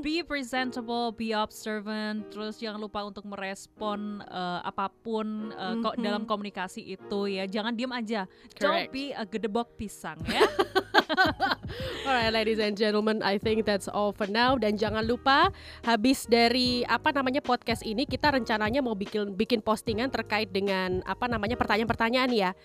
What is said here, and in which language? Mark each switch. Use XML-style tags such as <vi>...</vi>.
<en>Be presentable, be observant,</en> <id>terus jangan lupa untuk merespon apapun kok dalam komunikasi itu ya. Jangan diem aja.</id> <en>Correct. Don't be a</en> <id>gedebok pisang,</id> <en>ya. All right, ladies and gentlemen, I think that's all for now.</en> <id>Dan jangan lupa, habis dari apa namanya podcast ini, kita rencananya mau bikin postingan terkait dengan apa namanya pertanyaan-pertanyaan ya.</id>